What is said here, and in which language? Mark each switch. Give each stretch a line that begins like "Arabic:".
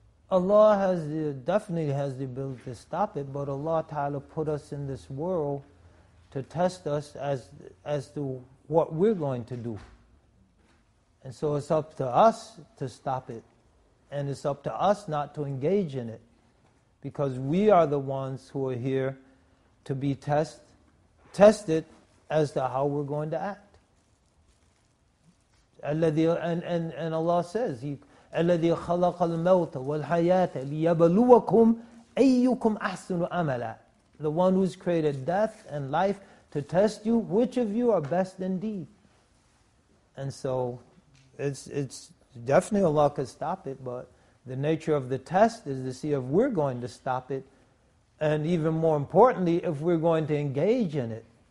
English: Allah definitely has the ability to stop it, but Allah Ta'ala put us in this world to test us as to what we're going to do. And so it's up to us to stop it. And it's up to us not to engage in it. Because we are the ones who are here to be tested as to how we're going to act. And Allah says,
Arabic: الَّذِي خَلَقَ الْمَوْتَ وَالْحَيَاةَ لِيَبَلُوَكُمْ أَيُّكُمْ أَحْسُنُ أَمَلًا.
English: The one who's created death and life to test you, which of you are best indeed? And so, it's definitely Allah could stop it, but the nature of the test is to see if we're going to stop it, and even more importantly, if we're going to engage in it.